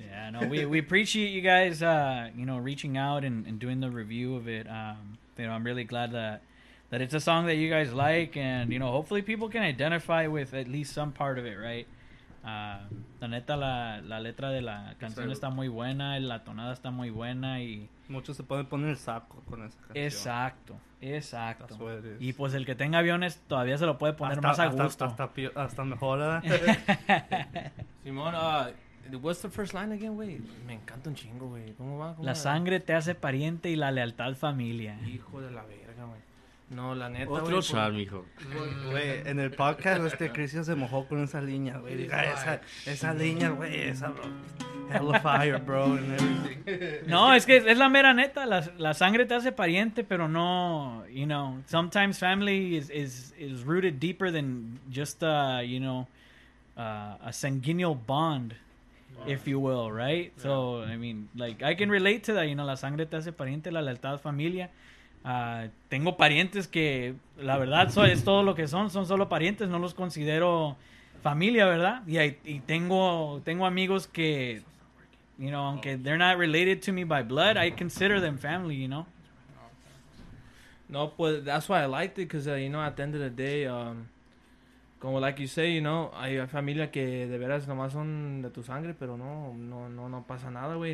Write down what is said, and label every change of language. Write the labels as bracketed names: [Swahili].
[English] Yeah, no, we appreciate you guys, you know, reaching out and doing the review of it. You know, I'm really glad that it's a song that you guys like, and you know, hopefully people can identify with at least some part of it, right? [Spanish] La neta, la letra de la canción está muy buena, la tonada está muy buena, y muchos se pueden poner el saco con esa canción. Exacto. Y pues el que tenga aviones todavía se lo puede poner hasta más a gusto. Hasta mejor. Simón, [English] what's the first line again, [Spanish] güey? Me encanta un chingo, güey. ¿Cómo va? La sangre te hace pariente y la lealtad familia. Hijo de la verga, güey. No, la neta, otro sal, mijo. Güey, en el podcast, Cristian se mojó con esa línea, güey. Esa línea, güey, esa, [English] bro. Hell of fire, bro, and everything. [Spanish] No, es que es la mera neta. La sangre te hace pariente, pero no, [English] you know, sometimes family is rooted deeper than just, you know, a sanguineal bond, if you will, right? Yeah. So, I mean, like, I can relate to that, you know, [Spanish] la sangre te hace pariente, la lealtad familia. Tengo parientes que la verdad es todo lo que son solo parientes, no los considero familia, ¿verdad? Y tengo amigos que, [English] you know, [Spanish] aunque [English] they're not related to me by blood, I consider them family, you know. [Spanish] No, pues [English] that's why I liked it, because you know, at the end of the day, como like you say, you know, [Spanish] hay familia que de veras nomás son de tu sangre, pero no pasa nada, güey.